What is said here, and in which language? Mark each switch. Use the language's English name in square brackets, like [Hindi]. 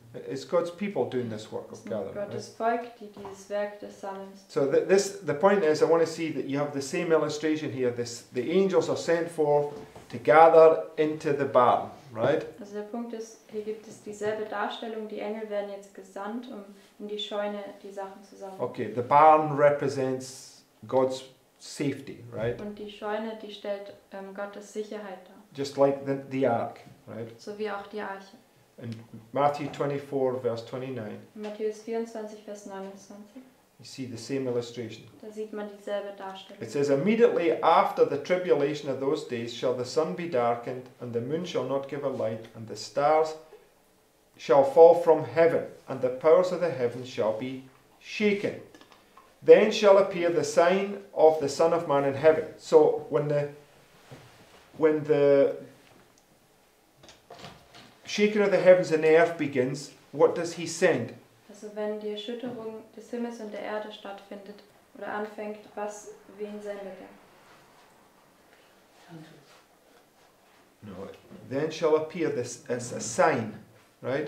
[English] It's God's people doing this work of gathering. [German] Gottes Volk, die dieses Werk des Sammelns. [English] So the point is, I want to see that you have the same illustration here. The angels are sent forth to gather into the barn, right? [German] Also der Punkt ist, hier gibt es dieselbe Darstellung. Die Engel werden jetzt gesandt, um in die Scheune die Sachen zu sammeln. [English] Okay, the barn represents God's safety, right? [German] Und die Scheune, die stellt Gottes Sicherheit dar. [English] Just like the ark, right? [German] So wie auch die Arche. [English] In Matthew 24, verse 29. [German] Matthäus 24, Vers 29. [English] You see the same illustration. [German] Da sieht man dieselbe Darstellung. [English] It says, immediately after the tribulation of those days shall the sun be darkened, and the moon shall not give a light, and the stars shall fall from heaven, and the powers of the heavens shall be shaken. Then shall appear the sign of the Son of Man in heaven. So when the shaking of the heavens and the earth begins, what does he send? [German] Also wenn die Erschütterung des Himmels und der Erde stattfindet oder anfängt, was, wen sendet er? [English] No, then shall appear this as a sign, right?